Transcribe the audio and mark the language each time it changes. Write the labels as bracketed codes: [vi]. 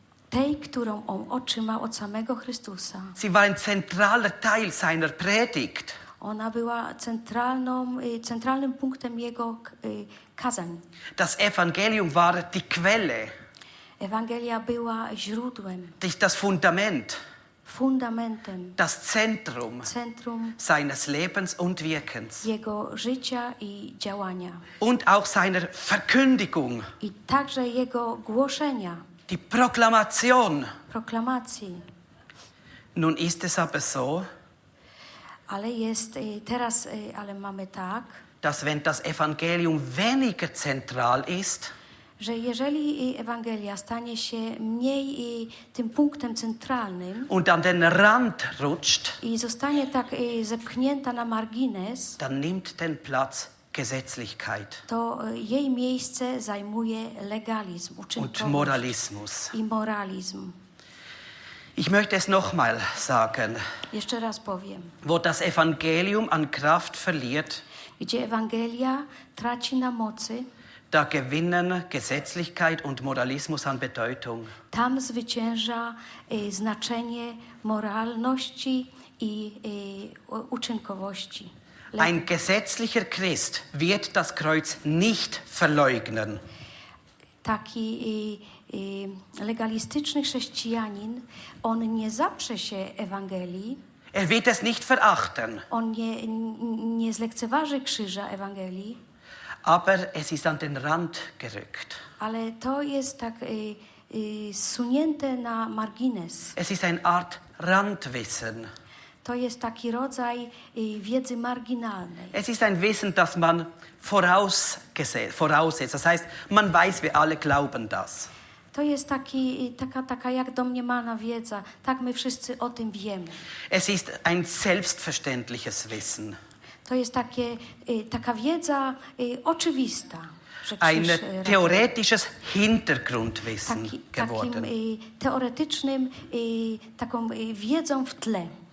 [pl] Tej, którą on otrzymał od samego Chrystusa. [de] Sie war ein zentraler Teil seiner Predigt. [pl] Ona była centralnym punktem jego kazań. [de] Das Evangelium war die Quelle. [pl] Ewangelia była źródłem. [de] Das Fundament. [pl] Fundamentem. [de] Das Zentrum. [pl] Centrum [de] seines Lebens und Wirkens. [pl] Jego życia i działania. [de] Und auch seiner Verkündigung. [pl] I także jego głoszenia. [de] Die Proklamation. [pl] Proklamacji. [de] Nun ist es aber so. [pl] Ale jest teraz, ale mamy tak, [de] dass wenn das Evangelium weniger zentral ist, [pl] że jeżeli Ewangelia stanie się mniej tym punktem centralnym [de] und an den Rand rutscht, [pl] i zostanie tak zepchnięta na margines, [de] dann nimmt den Platz Gesetzlichkeit. [pl] To jej miejsce zajmuje legalizm, [de] uczynkowość und Moralismus. [pl] I moralizm. [de] Ich möchte es nochmal sagen. [pl] Jeszcze raz powiem. [de] Wo das Evangelium an Kraft verliert, [pl] gdzie Ewangelia traci na mocy, [de] da gewinnen Gesetzlichkeit und Moralismus an Bedeutung. [pl] Tam zwycięża znaczenie moralności i uczynkowości. [de] Ein gesetzlicher Christ wird das Kreuz nicht verleugnen. [pl] Taki legalistyczny chrześcijanin, on nie zaprze się Ewangelii. [de] Er wird es nicht verachten. [pl] On nie zlekceważy krzyża Ewangelii. [de] Aber es ist an den Rand gerückt. [pl] Ale to jest tak zsunięte na margines. [de] Es ist eine Art Randwissen. [pl] To jest taki rodzaj wiedzy marginalnej. [de] Es ist ein Wissen, das man voraussetzt. Das heißt, man weiß, wir alle glauben das. [pl] To jest taka jak domniemana wiedza. Tak my wszyscy o tym wiemy. [de] Es ist ein selbstverständliches Wissen. [pl] To jest taka wiedza oczywista. [de] Ein theoretisches Hintergrundwissen geworden. [pl] Takim teoretycznym, taką wiedzą w tle.